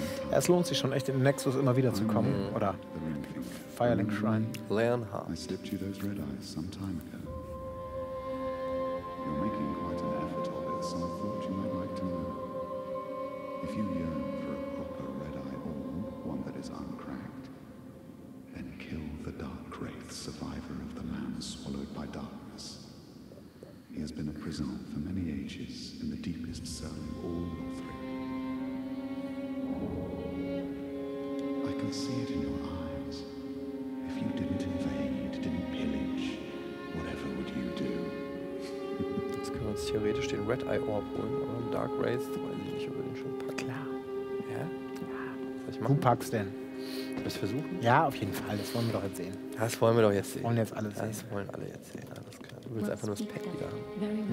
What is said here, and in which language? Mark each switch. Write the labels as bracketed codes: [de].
[de] Es lohnt sich schon echt, in den Nexus immer wieder zu kommen. Oder Firelink Shrine. Leonhard. [en] I slipped you those red eyes some time ago. You're making quite an effort of it, so I thought you might like to know. If you yearn for a proper red eye orb, one that is uncracked, then kill the dark wraith survivor of the man swallowed by darkness. He has been a prisoner for many ages in the deepest cell of all Lothric. I can see it in your eyes. If you didn't invade, didn't pillage, whatever would you do? [de] Jetzt können wir uns theoretisch den Red Eye Orb holen, aber einen Dark Wraith weiß ich nicht, ob wir den schon packen. Klar. Ja? Ja. Was soll ich machen? Du packst denn? Willst du versuchen? Ja, auf jeden Fall. Das wollen wir doch jetzt sehen. Das wollen wir doch jetzt sehen. Wollen jetzt alle sehen. Das wollen alle jetzt sehen. Alles klar. Du willst einfach nur das Pack wieder haben.